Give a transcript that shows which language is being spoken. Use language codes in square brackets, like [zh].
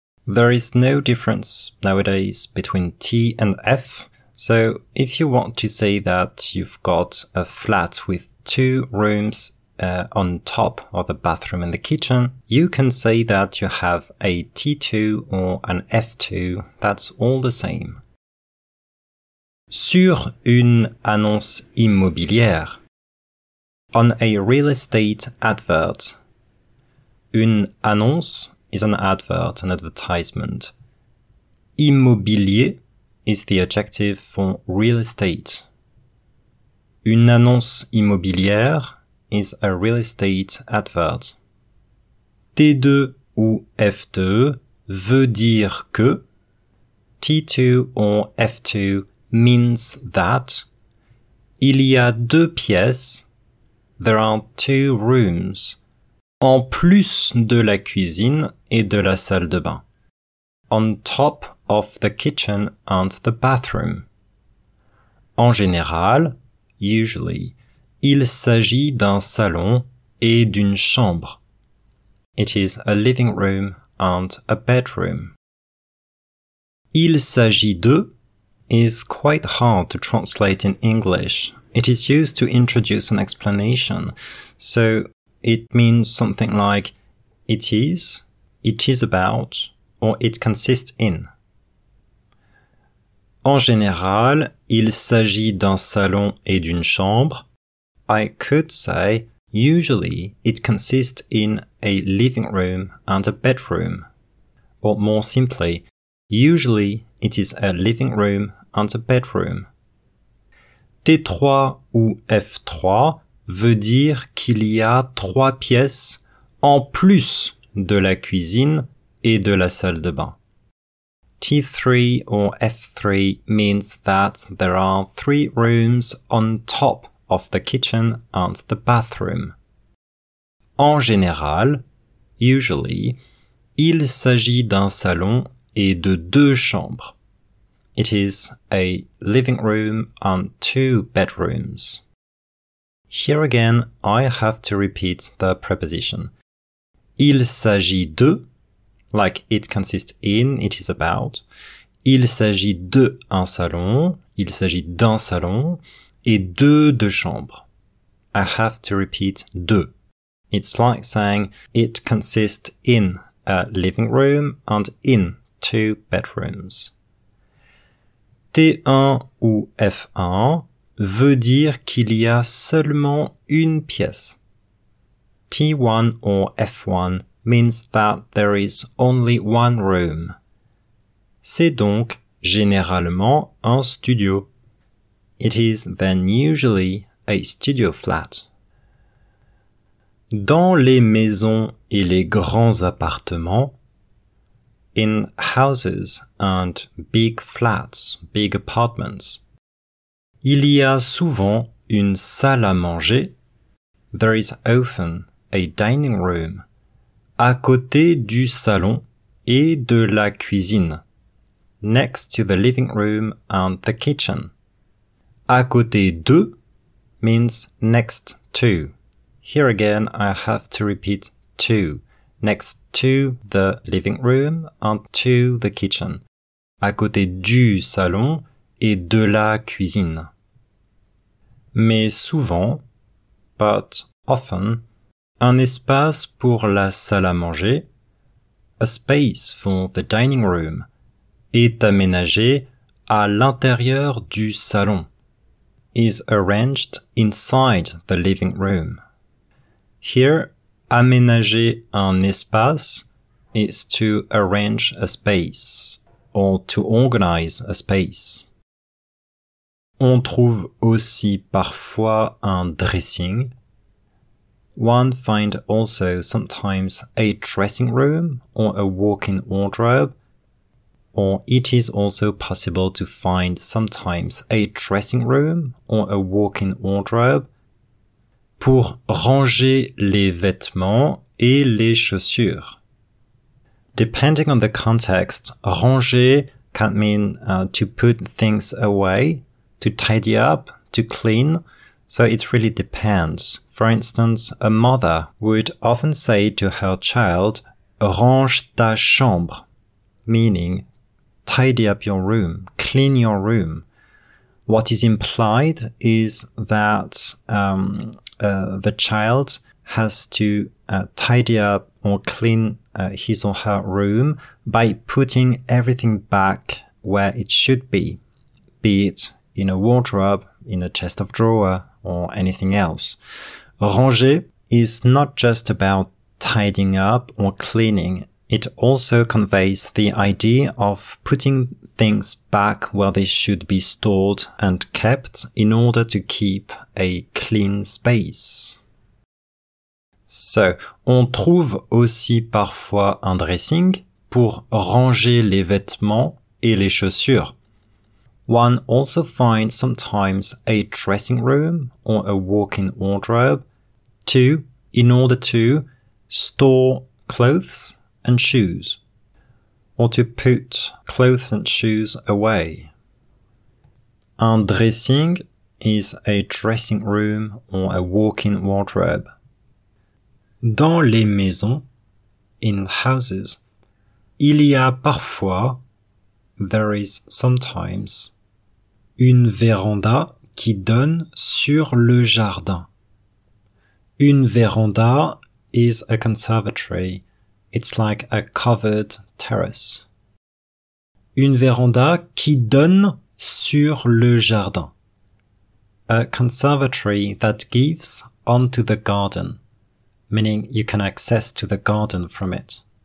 [en] There is no difference nowadays between T and F. So if you want to say that you've got a flat with two rooms on top of the bathroom and the kitchen, you can say that you have a T2 or an F2. That's all the same. [fr] Sur une annonce immobilière. [en] On a real estate advert. Une annonce is an advert, an advertisement. Immobilier is the adjective for real estate. Une annonce immobilière is a real estate advert. [fr] T2 ou F2 veut dire que. [en] T2 or F2 means that. [fr] Il y a deux pièces. [en] There are two rooms. [fr] En plus de la cuisine et de la salle de bain. [en] On top of the kitchen and the bathroom. [fr] En général, [en] usually, [fr] il s'agit d'un salon et d'une chambre. [en] It is a living room and a bedroom. Il s'agit de is quite hard to translate in English. It is used to introduce an explanation. So it means something like it is about, or it consists in. [fr] En général, il s'agit d'un salon et d'une chambre. [en] I could say, usually, it consists in a living room and a bedroom. Or more simply, usually, it is a living room and a bedroom. [fr] T3 ou F3 veut dire qu'il y a trois pièces en plus de la cuisine et de la salle de bain. [en] T3 or F3 means that there are three rooms on top of the kitchen and the bathroom. [fr] En général, [en] usually, [fr] il s'agit d'un salon et de deux chambres. [en] It is a living room and two bedrooms. Here again, I have to repeat the preposition. Il s'agit de, like it consists in, it is about. [fr] Il s'agit de un salon, il s'agit d'un salon, et de chambres. [en] I have to repeat de. It's like saying it consists in a living room and in two bedrooms. [fr] T1 ou F1 veut dire qu'il y a seulement une pièce. [en] T1 or F1 means that there is only one room. [fr] C'est donc généralement un studio. [en] It is then usually a studio flat. [fr] Dans les maisons et les grands appartements, [en] in houses and big flats, big apartments, [fr] il y a souvent une salle à manger. [en] There is often a dining room [fr] à côté du salon et de la cuisine. [en] Next to the living room and the kitchen. À côté de means next to. Here again, I have to repeat to. Next to the living room and to the kitchen. [fr] À côté du salon et de la cuisine. Mais souvent, [en] but often, [fr] un espace pour la salle à manger, [en] a space for the dining room, [fr] est aménagé à l'intérieur du salon, [en] is arranged inside the living room. Here, aménager un espace is to arrange a space or to organize a space. [fr] On trouve aussi parfois un dressing. [en] One finds also sometimes a dressing room or a walk-in wardrobe. Or it is also possible to find sometimes a dressing room or a walk-in wardrobe. [fr] Pour ranger les vêtements et les chaussures. [en] depending on the context, ranger can mean to put things away, to tidy up, to clean. So it really depends. For instance, a mother would often say to her child, [fr] range ta chambre, [en] meaning tidy up your room, clean your room. What is implied is that the child has to tidy up or clean his or her room by putting everything back where it should be it in a wardrobe, in a chest of drawer, or anything else. Ranger is not just about tidying up or cleaning. It also conveys the idea of putting things back where they should be stored and kept in order to keep a clean space. [fr] So, on trouve aussi parfois un dressing pour ranger les vêtements et les chaussures. [en] One also finds sometimes a dressing room or a walk-in wardrobe in order to store clothes and shoes, or to put clothes and shoes away. Un dressing is a dressing room or a walk-in wardrobe. [fr] Dans les maisons, [en] in houses, [fr] il y a parfois, [en] there is sometimes, [fr] une véranda qui donne sur le jardin. [en] Une véranda is a conservatory. It's like a covered terrace. [fr] Une véranda qui donne sur le jardin. [en] A conservatory that gives onto the garden, meaning you can access to the garden from it.